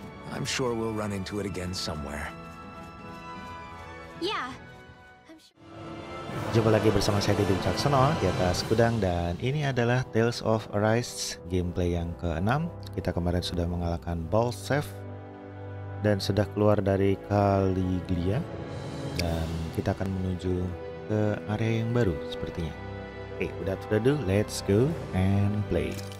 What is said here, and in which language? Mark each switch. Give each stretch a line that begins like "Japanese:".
English: I'm sure we'll run into it again somewhere. Yeah.
Indonesian: Jumpa lagi bersama saya di Bincang Senol di atas gudang, dan ini adalah Tales of Arise gameplay yang ke-6. Kita kemarin sudah mengalahkan Bolsef dan sudah keluar dari Caliglia, dan kita akan menuju ke area yang baru sepertinya.
English: Oke, without further ado, let's go and play.